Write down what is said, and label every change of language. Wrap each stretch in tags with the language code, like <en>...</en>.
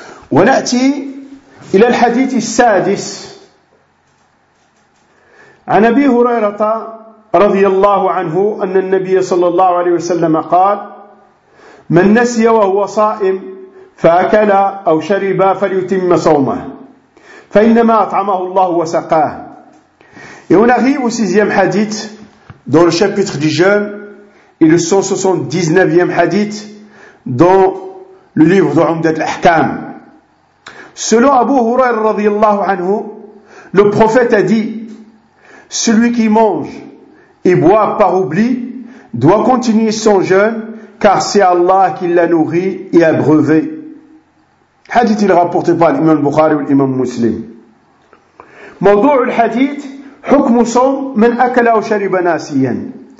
<ar>ونأتي إلى الحديث السادس عن أبي هريرة رضي الله عنه أن النبي صلى الله عليه وسلم قال من نسي وهو صائم فأكل أو شرب فليتم صومه فإنما أطعمه الله وسقاه</ar> <fr>Et on arrive au sixième hadith dans le chapitre du jeûne et le 179e hadith dans le livre de Umdat al-Ahkam. Selon Abu Hurayra radiyallahu anhu, le prophète a dit « Celui qui mange et boit par oubli doit continuer son jeûne car c'est Allah qui l'a nourri et abreuvé. » Hadith il rapporté par l'imam Bukhari ou l'imam Muslim.</fr> <ar>موضوع الحديث حكم صوم من أكل أو شرب ناسيا.</ar>